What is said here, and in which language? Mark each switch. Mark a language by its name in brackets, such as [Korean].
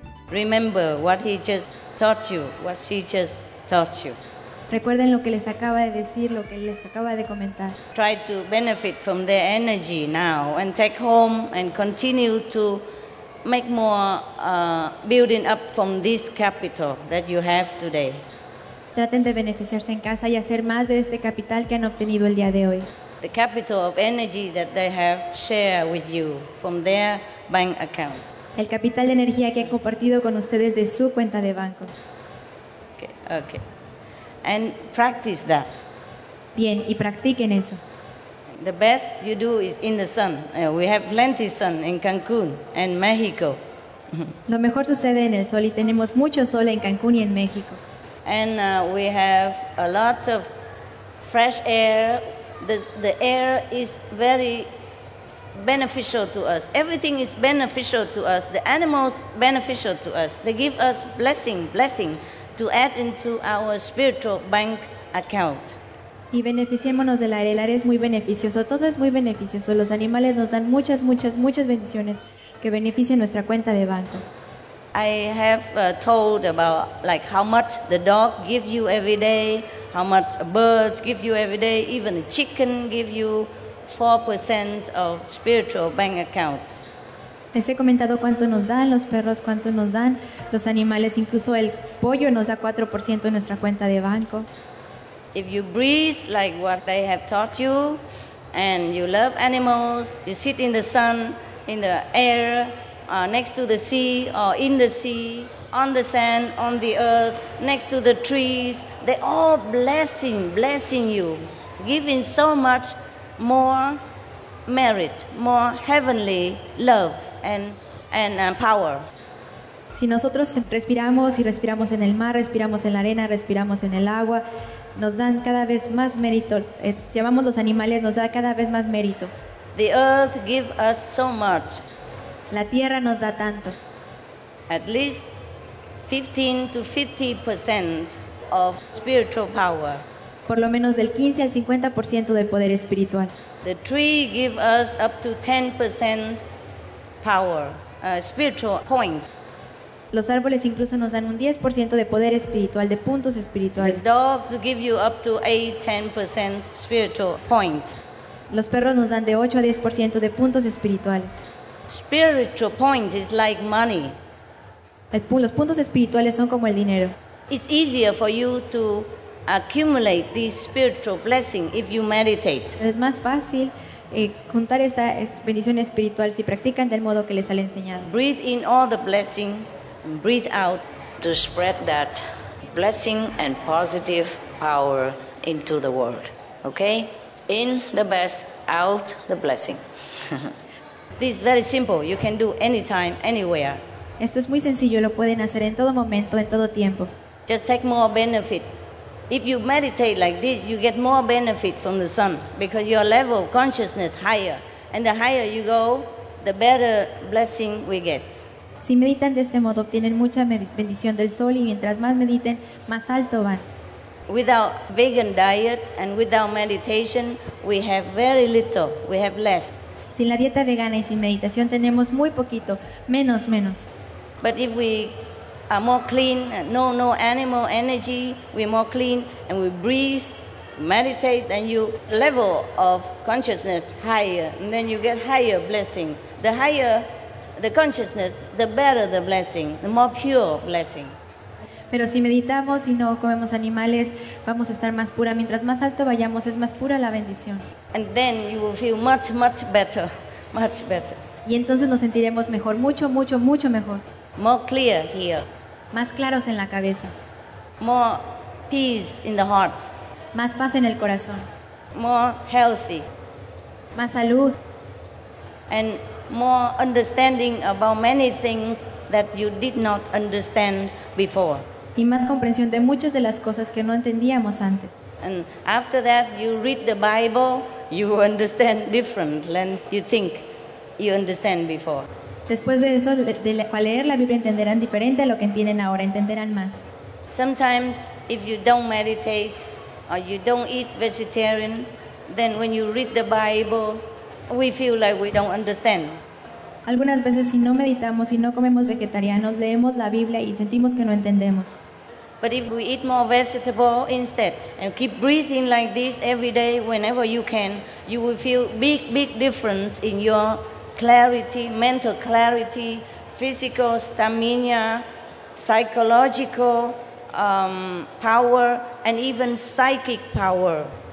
[English] Remember what he just taught you, what she just taught you. [Spanish] Recuerden lo que les acaba de decir, lo que les acaba de comentar. [English] Try to benefit from their energy now and take home and continue to make more building up from this capital that you have today. [Spanish] Traten de beneficiarse en casa y hacer más de este capital que han obtenido el día de hoy. [English] The capital of energy that they have shared with you from their bank account. [Spanish] El capital de energía que ha compartido con ustedes de su cuenta de banco. [English] Okay. And practice that. [Spanish] Bien, y practiquen eso. [English] The best you do is in the sun. We have plenty sun in Cancun and Mexico. [Spanish] Lo mejor sucede en el sol y tenemos mucho sol en Cancún y en México. [English] And we have a lot of fresh air. The air is very beneficial to us. Everything is beneficial to us. The animals beneficial to us. They give us blessing to add into our spiritual bank account. [Spanish] Y beneficiémonos del aire. El aire es muy beneficioso. Todo es muy beneficioso. Los animales nos dan muchas bendiciones que benefician nuestra cuenta de banco. [English] I have told about like how much the dog gives you every day, how much birds give you every day, even a chicken give you 4% of spiritual bank account. [Spanish] Les he comentado cuánto nos dan los perros, cuánto nos dan los animales, incluso el pollo nos da 4% de nuestra cuenta de banco. [English] If you breathe like what they have taught you, and you love animals, you sit in the sun, in the air, next to the sea, or in the sea, on the sand, on the earth, next to the trees, they all blessing you, giving so much more merit, more heavenly love and power. [Spanish] Si nosotros respiramos y respiramos en el mar, respiramos en la arena, respiramos en el agua, nos dan cada vez más mérito. Llamamos los animales, nos da cada vez más mérito. [English] The earth gives us so much. [Spanish] La tierra nos da tanto. [English] At least 15 to 50% of spiritual power. [Spanish] Por lo menos del 15 al 50% del poder espiritual. [English] The tree gives us up to 10% power, spiritual point. [Spanish] Los árboles incluso nos dan un 10% de poder espiritual, de puntos espirituales. [English] The dogs give you up to 8-10% spiritual point. [Spanish] Los perros nos dan de 8 a 10% de puntos espirituales. [English] Spiritual point is like money. [Spanish] Los puntos espirituales son como el dinero. [English] It's easier for you to accumulate this spiritual blessing if you meditate. [Spanish] Es más fácil juntar esta bendición espiritual si practican del modo que les han enseñado. [English] Breathe in all the blessing. Breathe out to spread that blessing and positive power into the world. Okay? In the best, out the blessing. This is very simple. You can do anytime, anywhere. [Spanish] Esto es muy sencillo. Lo pueden hacer en todo momento, en todo tiempo. [English] Just take more benefit. If you meditate like this, you get more benefit from the sun because your level of consciousness higher. And the higher you go, the better blessing we get. [Spanish] Si meditan de este modo, obtienen mucha bendición del sol y mientras más mediten, más alto van. [English] Without vegan diet and without meditation, we have very little, we have less. [Spanish] Sin la dieta vegana y sin meditación, tenemos muy poquito, menos. [English] But if we are more clean, no animal energy, we're more clean and we breathe, meditate, then you level of consciousness higher and then you get higher blessing. The higher the consciousness, the better the blessing, the more pure blessing. [Spanish] Pero si meditamos y no comemos animales, vamos a estar más pura. Mientras más alto vayamos, es más pura la bendición. [English] And then you will feel much, much better, much better. [Spanish] Y entonces nos sentiremos mejor, mucho, mucho, mucho mejor. [English] More clear here. [Spanish] Más claros en la cabeza. [English] More peace in the heart. [Spanish] Más paz en el corazón. [English] More healthy. [Spanish] Más salud. [English] And more understanding about many things that you did not understand before. [Spanish] Y más comprensión de muchas de las cosas que no entendíamos antes. [English] And after that, you read the Bible, you understand different than you think you understand before. [Spanish] Después de eso, al leer la Biblia, entenderán diferente a lo que entienden ahora, entenderán más. [English] Sometimes, if you don't meditate or you don't eat vegetarian, then when you read the Bible, we feel like we don't understand. [Spanish] Algunas veces si no meditamos y no comemos vegetarianos, leemos la Biblia y sentimos que no entendemos. [English] But if we eat more vegetable instead and keep breathing like this every day whenever you can, you will feel big difference in your clarity, mental clarity, physical stamina, psychological power and even psychic power.